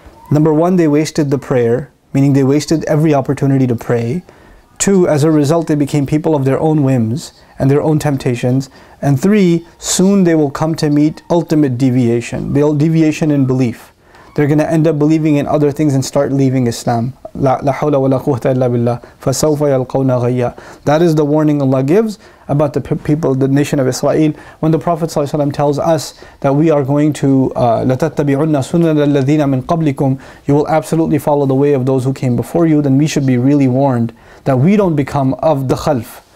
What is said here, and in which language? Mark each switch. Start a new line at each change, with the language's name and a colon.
English: Number one, they wasted the prayer, meaning they wasted every opportunity to pray. Two, as a result, they became people of their own whims and their own temptations. And three, soon they will come to meet ultimate deviation, the deviation in belief. They're going to end up believing in other things and start leaving Islam.
Arabic: لا حول ولا قوة إلا بالله فسوف يلقون غيا.
English: That is the warning Allah gives about the people, the nation of Israel. When the Prophet ﷺ tells us that we are going to
Arabic: لَتَتَّبِعُنَّ سُنَنَ الَّذِينَ مِنْ قَبْلِكُمْ,
English: you will absolutely follow the way of those who came before you, then we should be really warned that we don't become of the khalf.